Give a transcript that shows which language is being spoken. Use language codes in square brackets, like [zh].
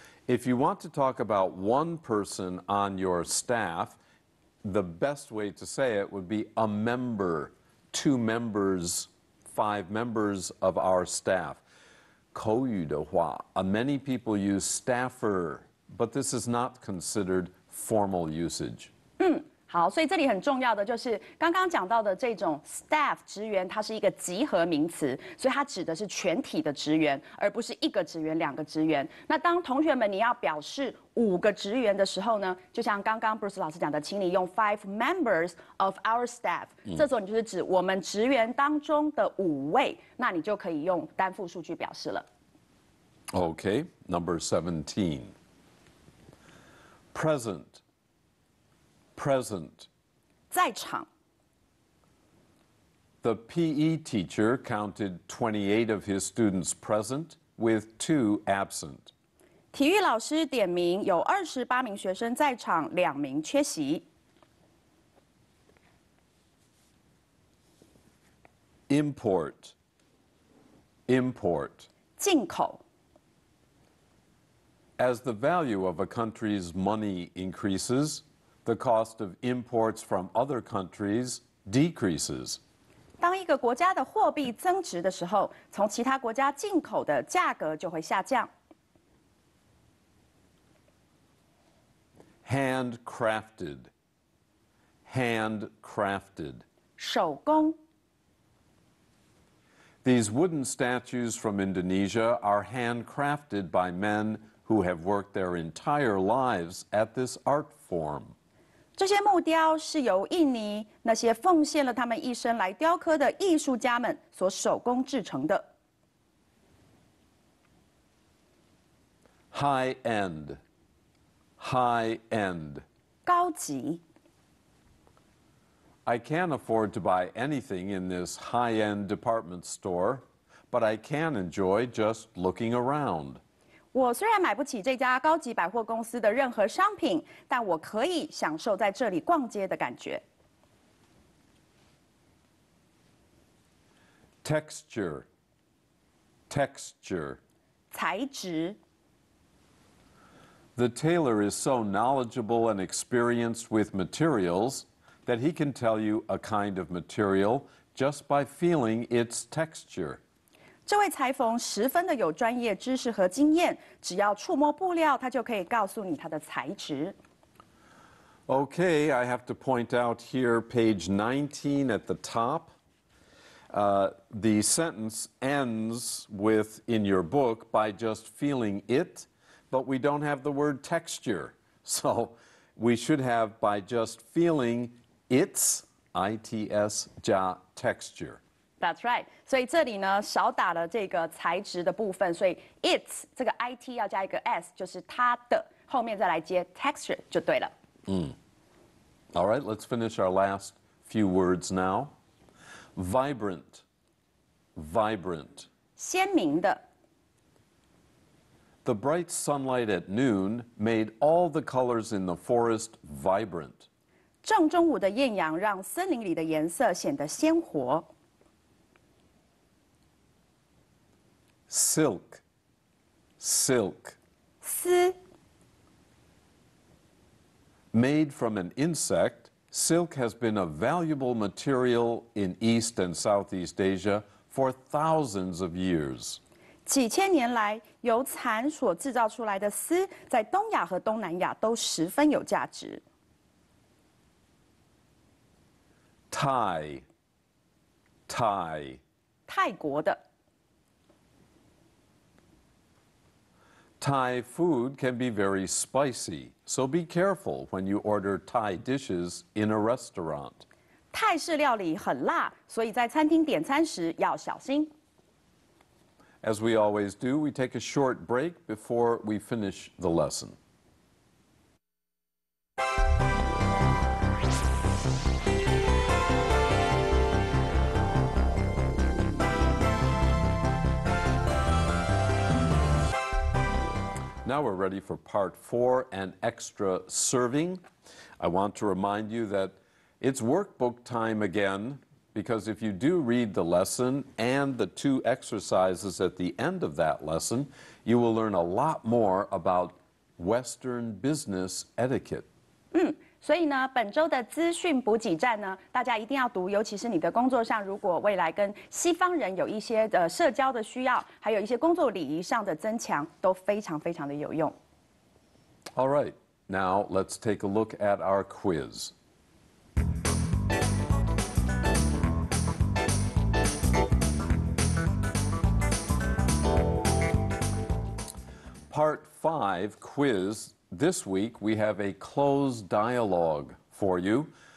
[en] If you want to talk about one person on your staff, the best way to say it would be a member, two members, five members of our staff. [zh] 口语的话, [en] many people use staffer, but this is not considered formal usage. [zh] 好，所以这里很重要的就是刚刚讲到的这种 staff 职员，它是一个集合名词，所以它指的是全体的职员，而不是一个职员、两个职员。那当同学们你要表示五个职员的时候呢，就像刚刚 Bruce 老师讲的，请你用 [en] five members of our staff， [zh] 这时候你就是指我们职员当中的五位，那你就可以用单复数去表示了。 [en] Okay, number 17. Present. Present. [zh] 在场。 [en] The PE teacher counted 28 of his students present with 2 absent. [zh] 体育老师点名有28名学生在场，2名缺席。 [en] Import. Import. [zh] 进口。 [en] As the value of a country's money increases,The cost of imports from other countries decreases. [zh] 当一个国家的货币增值的时候，从其他国家进口的价格就会下降。 [en] Handcrafted. Handcrafted. [zh] 手工。 [en] These wooden statues from Indonesia are handcrafted by men who have worked their entire lives at this art form. [zh] 这些木雕是由印尼那些奉献了他们一生来雕刻的艺术家们所手工制成的。 [en] High end, high end. [zh] 高级。 [en] I can't afford to buy anything in this high-end department store, but I can enjoy just looking around. [zh] 我虽然买不起这家高级百货公司的任何商品，但我可以享受在这里逛街的感觉。 [en] Texture, texture, [zh] 材质。 [en] The tailor is so knowledgeable and experienced with materials that he can tell you a kind of material just by feeling its texture. [zh] 这位裁缝十分的有专业知识和经验，只要触摸布料，他就可以告诉你它的材质。 [en] Okay, I have to point out here, page 19 at the top. The sentence ends with "in your book" by just feeling it, but we don't have the word texture, so we should have by just feeling its its ja texture. That's right. [zh] 所以这里呢，少打了这个材质的部分，所以 its 这个 it 要加一个 s， 就是它的后面再来接 texture 就对了。 [en] All right, let's finish our last few words now. Vibrant. vibrant. [zh] 鲜明的。 [en] The bright sunlight at noon made all the colors in the forest vibrant. [zh] 正中午的艳阳让森林里的颜色显得鲜活。 [en] Silk, silk. [zh] 丝。 [en] Made from an insect, silk has been a valuable material in East and Southeast Asia for thousands of years. [zh] 几千年来，由蚕所制造出来的丝，在东亚和东南亚都十分有价值。 [en] Thai, Thai. [zh] 泰国的。 [en] Thai food can be very spicy, so be careful when you order Thai dishes in a restaurant. [zh] 泰式料理很辣，所以在餐厅点餐时要小心。 [en] As we always do, we take a short break before we finish the lesson. Now we're ready for part four, an extra serving. I want to remind you that it's workbook time again, because if you do read the lesson and the two exercises at the end of that lesson, you will learn a lot more about Western business etiquette. [zh] 所以呢，本周的资讯补给站呢，大家一定要读，尤其是你的工作上，如果未来跟西方人有一些社交的需要，还有一些工作礼仪上的增强，都非常非常的有用。 [en] All right, now let's take a look at our quiz. Part five quiz. This week, we have a closed dialogue for you.